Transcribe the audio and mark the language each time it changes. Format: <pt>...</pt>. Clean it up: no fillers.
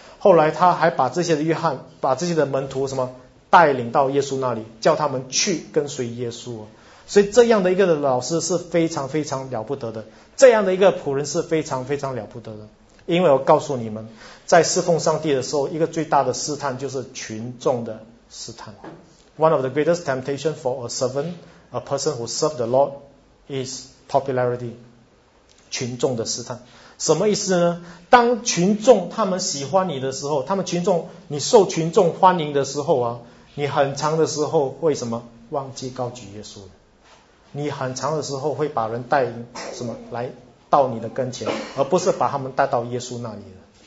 <zh>后来他还把这些的约翰，把这些的门徒什么带领到耶稣那里，叫他们去跟随耶稣。所以这样的一个老师是非常非常了不得的，这样的一个仆人是非常非常了不得的。因为我告诉你们，在侍奉上帝的时候，一个最大的试探就是群众的试探。</zh> <en>One of the greatest temptation for a servant, a person who serves the Lord, is popularity,</en> <zh>群众的试探。什么意思呢？当群众他们喜欢你的时候，他们群众你受群众欢迎的时候啊，你很长的时候会什么忘记高举耶稣，你很长的时候会把人带什么来到你的跟前，而不是把他们带到耶稣那里的。</zh>